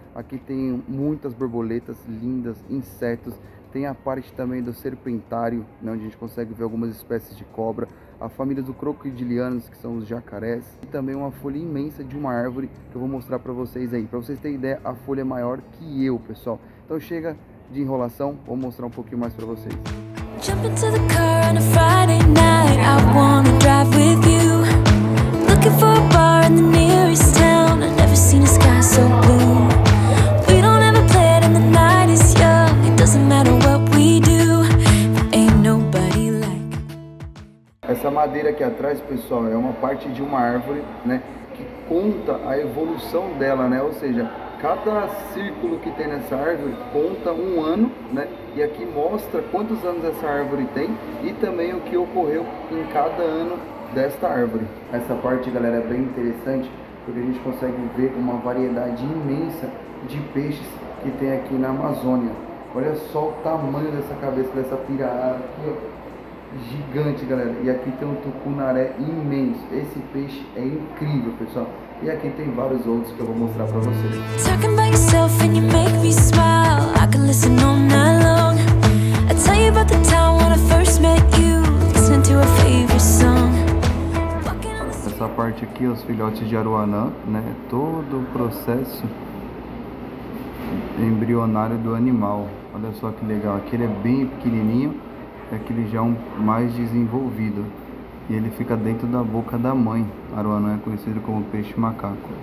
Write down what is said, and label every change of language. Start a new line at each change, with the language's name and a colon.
Portuguese: Aqui tem muitas borboletas lindas, insetos, tem a parte também do serpentário, né, onde a gente consegue ver algumas espécies de cobra, a família do crocodilianos, que são os jacarés, e também uma folha imensa de uma árvore que eu vou mostrar para vocês aí. Para vocês terem ideia, a folha é maior que eu, pessoal. Então chega de enrolação, vou mostrar um pouquinho mais para vocês.
English: Jump into the car on a Friday night. I wanna drive with you. Looking for a bar in the nearest town. I've never seen a sky so blue. We don't ever play it in the night is young. It doesn't matter what we do. There ain't nobody like.
Portuguese: Essa madeira aqui atrás, pessoal, é uma parte de uma árvore, né, que conta a evolução dela, né? Ou seja, cada círculo que tem nessa árvore conta um ano, né? E aqui mostra quantos anos essa árvore tem e também o que ocorreu em cada ano desta árvore. Essa parte, galera, é bem interessante porque a gente consegue ver uma variedade imensa de peixes que tem aqui na Amazônia. Olha só o tamanho dessa cabeça, dessa pirarara aqui, ó. Gigante, galera. E aqui tem um tucunaré imenso. Esse peixe é incrível, pessoal. E aqui tem vários outros que eu vou mostrar pra vocês.
English: Talking about yourself and you make me smile. I can listen all night long. I tell you about the time when I first met you. Listen to a favorite song.
Portuguese: Essa parte aqui, os filhotes de aruanã, né? Todo o processo embrionário do animal. Olha só que legal, aqui ele é bem pequenininho, aqui ele já é um mais desenvolvido. E ele fica dentro da boca da mãe. Aruanã é conhecido como peixe macaco.